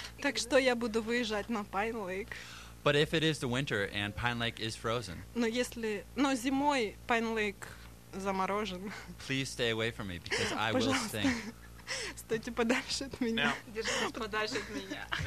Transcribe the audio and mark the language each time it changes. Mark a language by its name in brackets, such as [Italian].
[Russian] Так что я буду выезжать на Pine Lake. [English] But if it is the winter and Pine Lake is frozen. [Russian] Но если, но зимой Pine Lake заморожен. [English] Please stay away from me because I will stink. [Russian] Стойте подальше от меня. Держитесь подальше от меня.